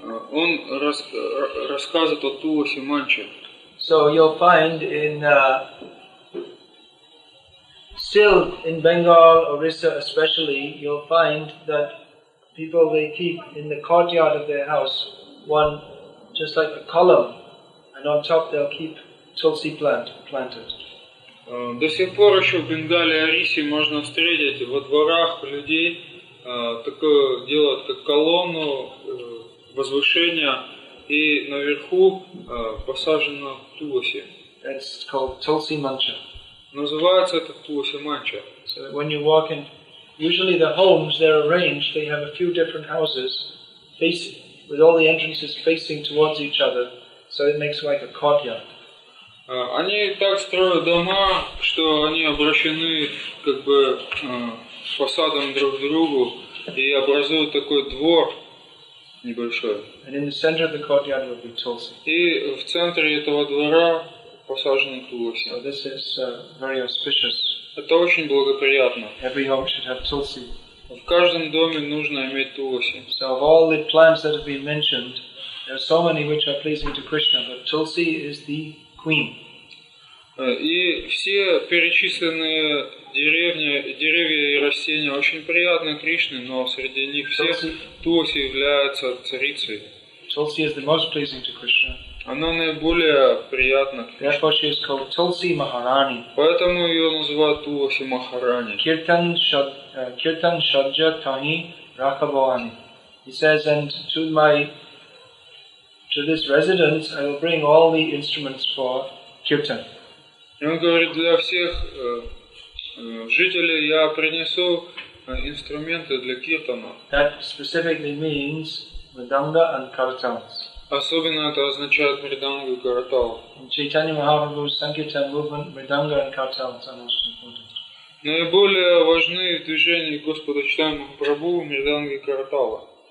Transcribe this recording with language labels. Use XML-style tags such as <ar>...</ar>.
<ru>Он рассказывает о Тулси Манче.</ru> <en>So you'll find in still in Bengal, Orissa especially, you'll find that people they keep in the courtyard of their house one just like a column, and on top they'll keep tulsi plant planted.</en> <ru>До сих пор еще в Бенгале Орисе можно встретить во дворах людей такое делают как колонну возвышения и наверху посажено туласи.</ru> <en>It's called tulsi mancha.</en> <ru>Называется это туласи манча.</ru> <en>So when you walk in, usually the homes they're arranged, they have a few different houses facing, with all the entrances facing towards each other, so it makes like a courtyard.</en> <ru>Они так строят дома, что они обращены как бы фасадом друг к другу и образуют такой двор небольшой.</ru> <en>And in the center of the courtyard will be tulsi.</en> <ru>И в центре этого двора посажены туласи.</ru> <en>So this is very auspicious.</en> <ru>Это очень благоприятно.</ru> <en>Every home should have tulsi.</en> <ru>В каждом доме нужно иметь туласи.</ru> <en>So of all the plants that have been mentioned, there are so many which are pleasing to Krishna, but tulsi is the queen.</en> <ru>И все перечисленные деревья и растения очень приятны Кришне, но среди них всех туласи является царицей.</ru> <en>Tulsi is the most pleasing to Krishna.</en> <ru>Она наиболее приятна.</ru> <en>Therefore she is called Tulsi Maharani.</en> <ru>Поэтому ее называют Туласи Махарани.</ru> <bn>Kirtan Shadja Tani Rakhavani.</bn> <en>He says, and to this residence I will bring all the instruments for kirtan.</en> <ru>И он говорит, для всех жителей я принесу инструменты для киртана.</ru> <en>That specifically means mridanga and kartans.</en> <ru>Особенно это означает мриданга и картал.</ru> <en>In Chaitanya Mahaprabhu's sankirtan movement, mridanga and kartans are most important.</en> <ru>Наиболее важны движения Господа Чайтанья Махапрабху, мриданга и картала.</ru>